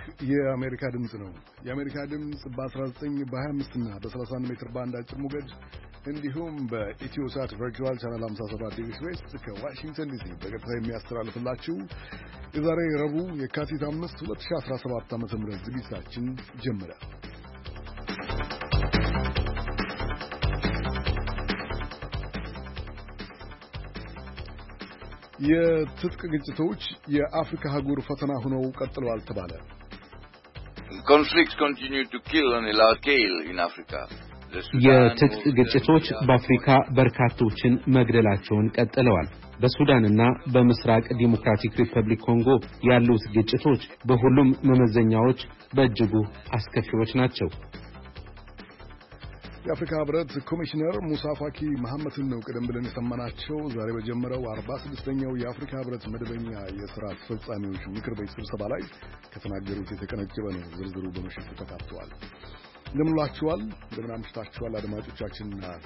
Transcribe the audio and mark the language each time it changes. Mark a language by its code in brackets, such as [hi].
[am] የአሜሪካ ድምጽ ነው። የአሜሪካ ድምጽ በ19 በ25 እና በ31 ሜትር ባንድ አጭር ሞገድ እንዲሁም በኢትዮሳት ቨርቹዋል ቻናል 57 ዲግሪ ዌስት ከዋሽንግተን ዲሲ በቀጥታ የሚያስተላልፍላችሁ የዛሬ ረቡዕ የካቲት 5 2017 ዓ.ም ምረት ዝግጅታችን ጀመረ። የትጥቅ ግጭቶች የአፍሪካ ሀገር ፈተና ሆነው ቀጥለዋል ተባለ። [en] Conflicts continue to kill on a large scale in Africa. [am] የትጥቅ ግጭቶች በአፍሪካ በርካቶችን መግደላቸውን ቀጥለዋል። በሱዳንና በመስራቅ ዲሞክራቲክ ሪፐብሊክ ኮንጎ ያሉት ግጭቶች በሁሉም መመዘኛዎች በእጅጉ አስከፊዎች ናቸው። የአፍሪካ ህብረት ኮሚሽነር ሙሳ ፋኪ መሐመድን ነው ቀደም ብለን የሰማናቸው። ዛሬ በጀመረው 46ኛው የአፍሪካ ህብረት መደበኛ የሥራ ፍጻሜዎች ምክር ቤት ስብሰባ ላይ ከተናገሩት የተቀነጨበ ነው። ዝርዝሩ በመሸጥ ተካፍቷል። እንደምላችኋል እንደምናምሽታችኋል አድማጮቻችንና